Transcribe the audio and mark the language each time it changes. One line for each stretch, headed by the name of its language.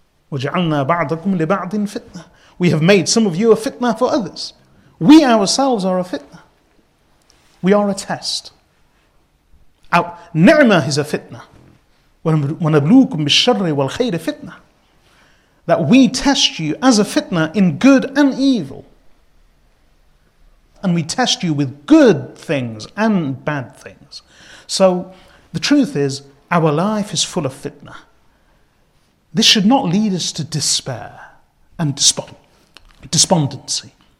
Arabic: وَجَعَلْنَا بَعْضَكُمْ لِبَعْضٍ fitna.
English: We have made some of you a fitna for others. We ourselves are a fitna. We are a test. نِعْمَةٌ is a fitna.
Arabic: وَنَبْلُوكُمْ بِالشَّرِّ وَالْخَيْرِ fitna.
English: That we test you as a fitna in good and evil. And we test you with good things and bad things. So the truth is, our life is full of fitna. This should not lead us to despair and despondency.